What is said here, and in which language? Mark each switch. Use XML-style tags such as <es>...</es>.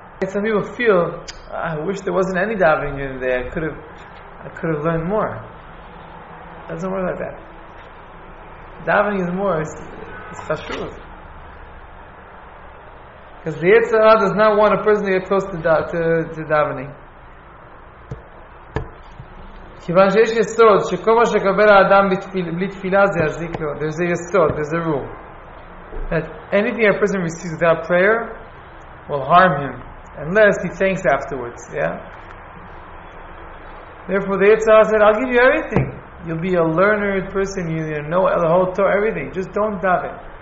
<en>some people feel, I wish there wasn't any davening unit today. I could have learned more. It doesn't work like that. Davening is more, it's chashuv. Because the Yetzer Hara does not want a person to get close to davening.</en> <he>כיוון שיש יסוד שכל מה שקבל האדם בלי תפילה זה יזיק לו.</he> <en>There's a yesod, there's a rule. That anything a person receives without prayer will harm him. Unless he thanks afterwards, yeah? Therefore the Yetzer Hara said, I'll give you everything. You'll be a learner person, you know the whole Torah, everything. Just don't daven.</en>